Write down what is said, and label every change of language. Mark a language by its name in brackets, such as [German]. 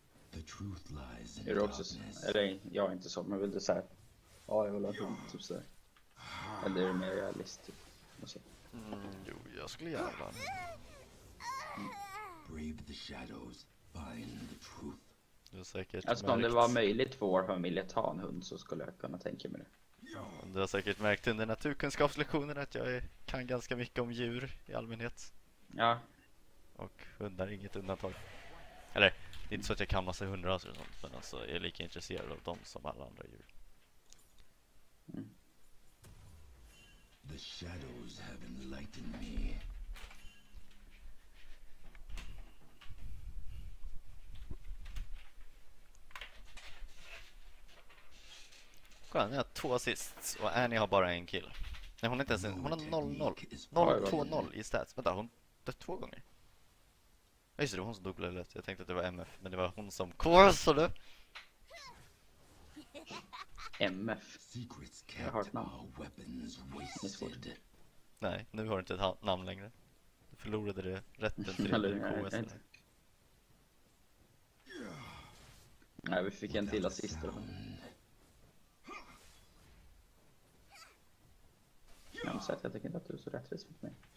[English] The truth lies in darkness. [Swedish] Eller jag är inte så, men vill du säga? Ja, jag vill ha dem, typ så. Eller är det mer realistiskt? Jo, jag skulle gärna. [English] Brave the shadows, find the truth. [Swedish] Alltså om det var möjligt för vår familj att ha en hund så skulle jag kunna tänka mig det. Du har säkert märkt under naturkunskapslektionen att jag kan ganska mycket om djur i allmänhet. Ja. Och hundar är inget undantag. Eller, det är inte så att jag kan massa hundra och sånt, men alltså jag är lika intresserad av dem som alla andra djur. [English] The shadows have enlightened me. [Swedish] Kolla, ni har två assist och Annie har bara en kill. Nej, hon är inte ens en, hon har 0-0. 0-2-0 i stats. Vänta, hon dött två gånger. Ja, just det, hon som dog lätt. Jag tänkte att det var MF, men det var hon som korsade. MF. [English] Secrets kept, our weapons wasted. [Swedish] Nej, nu har du inte ett namn längre. Du förlorade det rätten till eller, det KS. Nej, inte. Nej, vi fick en till assist. Jag har sagt, jag tycker inte att du är så rättvis mot mig.